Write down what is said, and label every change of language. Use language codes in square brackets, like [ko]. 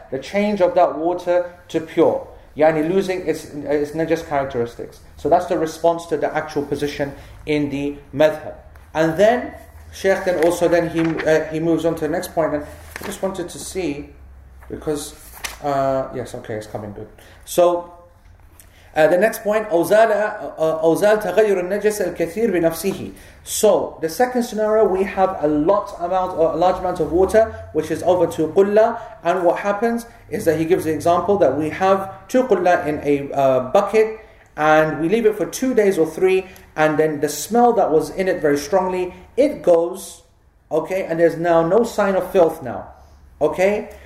[en] The change of that water to pure. Yani losing its najas characteristics. So that's the response to the actual position in the madhab. And then, Sheikh then also, then he moves on to the next point. And I just wanted to see, because, yes, okay, it's coming good. So, The next point, [ar] أوزال تغير النجس الكثير بنفسه. [en] So the second scenario, we have a large amount of water which is over two قلة, and what happens is that he gives the example that we have two قلة in a bucket, and we leave it for 2 days or three, and then the smell that was in it very strongly, it goes, okay, and there's now no sign of filth now, okay.